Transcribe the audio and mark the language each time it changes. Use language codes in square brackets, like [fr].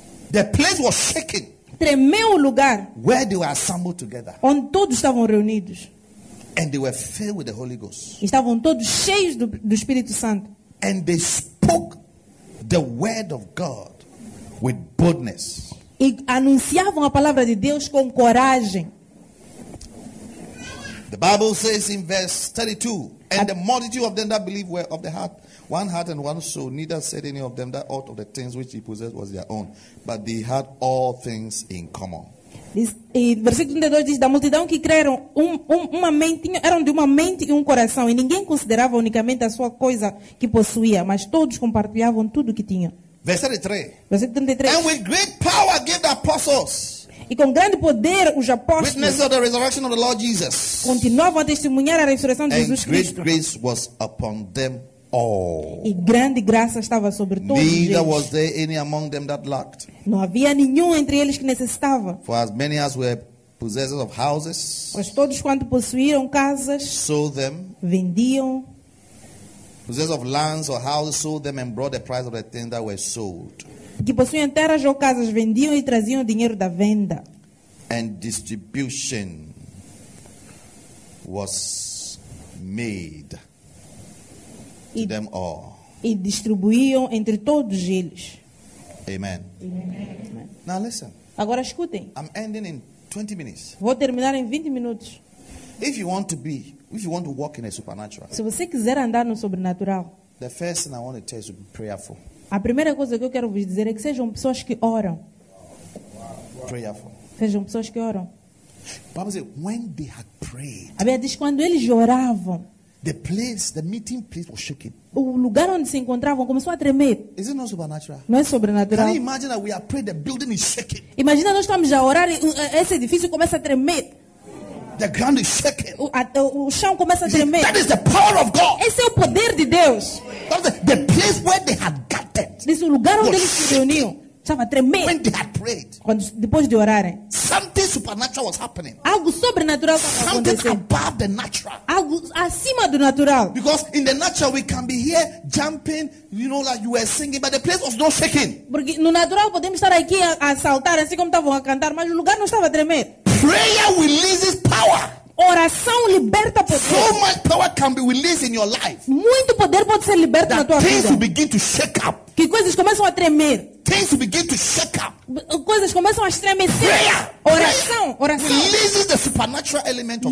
[en] the place was shaking. [pt] Tremeu o lugar [en] where they were assembled together. [pt] Onde todos estavam reunidos. [en] And they were filled with the Holy Ghost. [pt] Estavam todos cheios do Espírito Santo. [en] And they spoke the word of God with boldness. [pt] E anunciavam a palavra de Deus com coragem. [en] The Bible says in verse 32, and the multitude of them that believed were of the heart, one heart and one soul, neither said any of them that aught of the things which he possessed was their own, but they had all things in common. [pt] Versículo 32 diz, da multidão que creram, uma mente, eram de uma mente e um coração, e ninguém considerava unicamente a sua coisa que possuía, mas todos compartilhavam tudo que tinham. Versículo 33. [en] And with great power gave the apostles. [pt] E com grande poder os apóstolos. [en] Witnesses of the resurrection of the Lord Jesus. [pt] Continuavam a testemunhar a ressurreição de Jesus Cristo. [en] And great grace was upon them. Oh. [pt] E grande graça estava sobre todos. [en] Neither was there any among them that lacked. [pt] Não havia nenhum entre eles que necessitava. [en] For as many as were possessors of houses, [pt] pois todos quanto possuíram casas, [en] sold them, [pt] vendiam. [en] Possessors of lands or houses sold them and brought the price of the things that were sold. [pt] Que possuíam terras ou casas vendiam e traziam o dinheiro da venda. [en] And distribution was made. [pt] E distribuíam entre todos eles. [en] Amen. Amen. Now listen. [pt] Agora escutem. [en] I'm ending in 20 minutes. [pt] Vou terminar em 20 minutos. [en] If you want to be, if you want to walk in a supernatural. [pt] Se você quiser andar no sobrenatural. [en] The first thing I want to tell you is to be prayerful. [pt] A primeira coisa que eu quero vos dizer é que sejam pessoas que oram. [en] Prayerful. [pt] Sejam pessoas que oram. [en] Bible says, when they had prayed. [pt] A Bíblia diz quando eles oravam. [en] The place, the meeting place was shaking. [pt] O lugar onde se encontravam começou a tremer. [en] Is it not supernatural? [pt] Não é sobrenatural? [en] Can you imagine that we are praying, the building is shaking. [pt] Imagina nós estamos a orar e esse edifício começa a tremer. [en] The ground is shaking. [pt] O chão começa a tremer. [en] That is the power of God. [pt] Esse é o poder de Deus. [en] The place where they had gathered. [pt] Esse lugar onde eles se reuniam estava a tremer. [en] When they had prayed. [pt] Quando depois de orarem. [en] Something supernatural was happening. [pt] Algo sobrenatural estava acontecendo. [en] Something above the natural. [pt] Algo acima do natural. [en] Because in the natural we can be here jumping, you know, like you were singing, but the place was not shaking. [pt] Porque no natural podemos estar aqui a saltar assim como estavam a cantar, mas o lugar não estava a tremer. [en] Prayer releases power. [pt] Oração liberta poder. [en] So much power can be released in your life. [pt] Muito poder pode ser liberto [en] that [pt] na tua [en] things [pt] vida. [en] Will begin to shake up. [pt] Que coisas começam a tremer. [en] Things begin to shake up. [pt] Coisas começam a estremecer. [en] Prayer. [pt] Oração. [en] Releases the supernatural element of